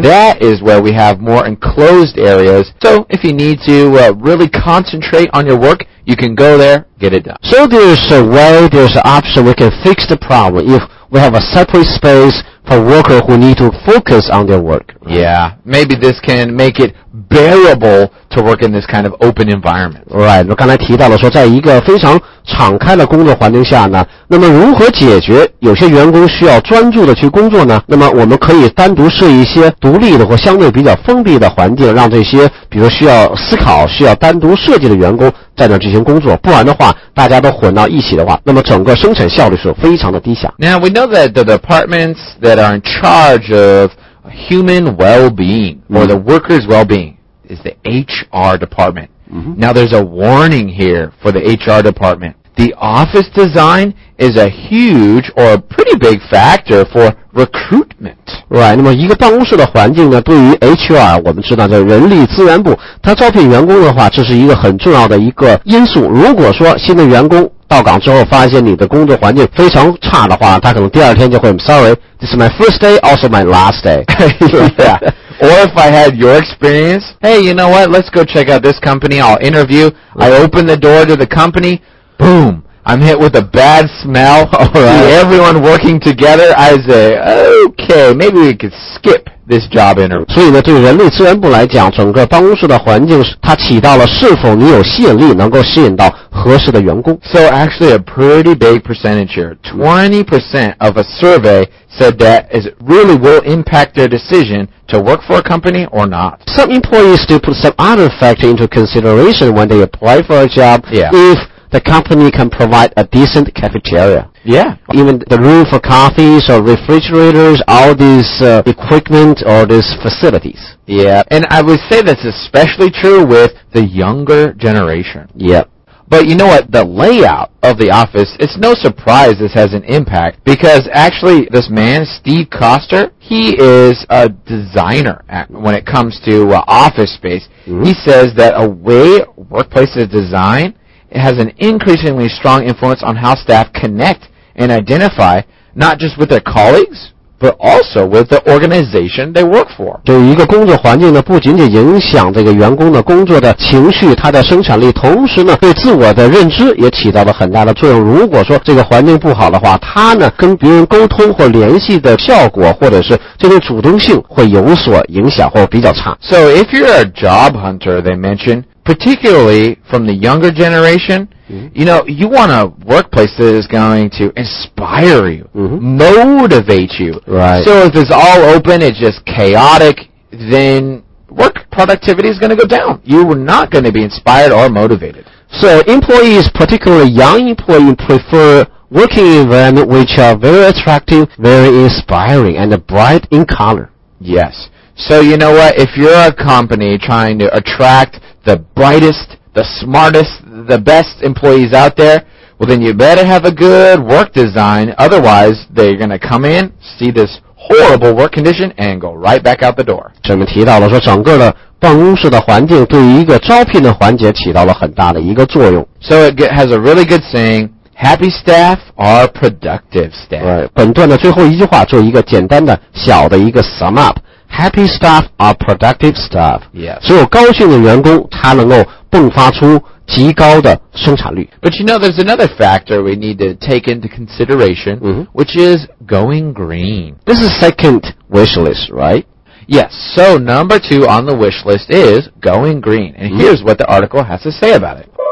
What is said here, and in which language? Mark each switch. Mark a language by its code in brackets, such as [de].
[en] That is where we have more enclosed areas. So if you need to、really concentrate on your work, you can go there, get it done. So there's a way, there's an option we can fix the problem. If we have a separate space for workers who need to focus on their work.、 Right? Yeah, maybe this can make it bearable. To work in this kind of open environment. Right, [zh] 我刚才提到了说在一个非常敞开的工作环境下呢，那么如何解决有些员工需要专注的去工作呢？那么我们可以单独设一些独立的或相对比较封闭的环境，让这些比如需要思考需要单独设计的员工在那进行工作，不然的话大家都混到一起的话，那么整个生产效率是非常的低下。 [en] Now we know that the departments that are in charge of human well-being or the workers' well-beingis the HR department.、 Mm-hmm. Now there's a warning here for the HR department. The office design is a huge or a pretty big factor for recruitment. Right, [zh] 那么一个办公室的环境呢对于 HR, 我们知道叫人力资源部，他招聘员工的话这是一个很重要的一个因素。如果说新的员工到岗之后发现你的工作环境非常差的话，他可能第二天就会 [en] sorry, this is my first day, also my last day. yeah. Or if I had your experience, hey, you know what, let's go check out this company, I'll interview. I open the door to the company, boom, I'm hit with a bad smell. Right. See everyone working together, I say, okay, maybe we could skip this job interview. [zh] 所以呢，对人力资源部来讲，整个办公室的环境，它起到了是否你有吸引力，能够吸引到合适的员工。 [en] So actually a pretty big percentage here. 20% of a survey said that it really will impact their decision to work for a company or not. Some employees do put some other factor into consideration when they apply for a job. Yeah. If the company can provide a decent cafeteria. Yeah. Even the room for coffees or refrigerators, all these、equipment or these facilities. Yeah. And I would say that's especially true with the younger generation. Yeah. But you know what? The layout of the office, it's no surprise this has an impact, because actually this man, Steve Koster, he is a designer when it comes to office space. Mm-hmm. He says that a way workplace is designed, it has an increasingly strong influence on how staff connect and identify, not just with their colleagues, but also with the organization they work for. [zh] 对一个工作环境呢，不仅仅影响这个员工的工作的情绪，他的生产力，同时呢，对自我的认知也起到了很大的作用。如果说这个环境不好的话，他呢跟别人沟通或联系的效果，或者是这种主动性会有所影响或比较差。 [en] So if you're a job hunter, they mentioned, particularly from the younger generation,You know, you want a workplace that is going to inspire you,、 mm-hmm. motivate you. Right. So if it's all open, it's just chaotic, then work productivity is going to go down. You are not going to be inspired or motivated. So employees, particularly young employees, prefer working environment which are very attractive, very inspiring, and bright in color. Yes. So you know what? If you're a company trying to attract the brightest,the smartest, the best employees out there, well then you better have a good work design, otherwise they're going to come in, see this horrible work condition, and go right back out the door. [zh] 这边提到了说整个的办公室的环境对于一个招聘的环节起到了很大的一个作用。 [en] So it has a really good saying, happy staff are productive staff. Right, [zh] 本段的最后一句话做一个简单的小的一个 [en] sum up,Happy staff are productive staff. Yes. [zh] 只有高兴的员工才能够迸发出极高的生产率。 [en] But you know, there's another factor we need to take into consideration,、 mm-hmm. which is going green. This is second wish list, right? Yes. So number two on the wish list is going green. And、mm-hmm. here's what the article has to say about it.